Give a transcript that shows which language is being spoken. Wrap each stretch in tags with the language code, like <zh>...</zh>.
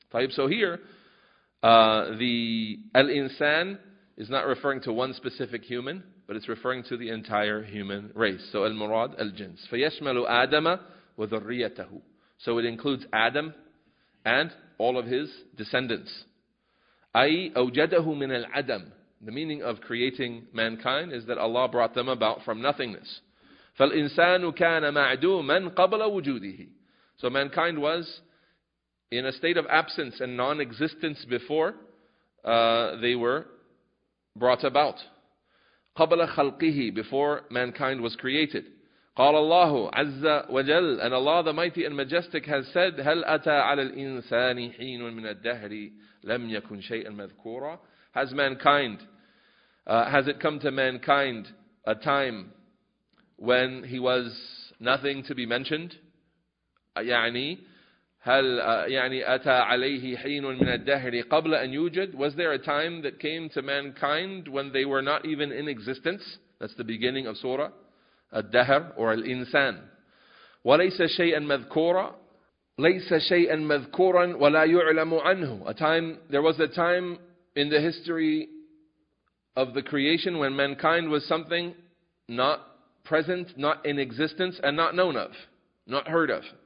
<en>So here, the al-insan is not referring to one specific human, but it's referring to the entire human race.</en> <ar>So al-murad al-jins. فَيَشْمَلُ آدَمَ وَذُرِّيَّتَهُ.</ar> <en>So it includes Adam and all of his descendants.</en> <ar>أي أوجده من العدم.</ar> <en>The meaning of creating mankind is that Allah brought them about from nothingness.</en> <ar>فالإنسان كان معدوما قبل وجوده.</ar> <en>So mankind was in a state of absence and non-existence before they were brought about.</en> <ar>قبل خلقه.</ar> <en>Before mankind was created.</en> <ar>قال الله عز وجل,</ar> <en>and Allah the Mighty and Majestic has said,</en> <ar>هل أتى على الإنسان حين من الدهر لم يكن شيئا مذكورا.</ar> <en>Has mankind, has it come to mankind a time when he was nothing to be mentioned?</en> <ar>يعني هل يعني أتى عليه حين من الدهر قبل أن يوجد.</ar> <en>Was there a time that came to mankind when they were not even in existence? That's the beginning of surah.</en> <ar>Al-dahr or al-insan. وَلَيْسَ شَيْئًا مَذْكُورًا. لَيْسَ شَيْئًا مَذْكُورًا وَلَا يُعْلَمُ عَنْهُ.</ar> <en>A time, there was a time in the history of the creation when mankind was something not present, not in existence, and not known of, not heard of.</en>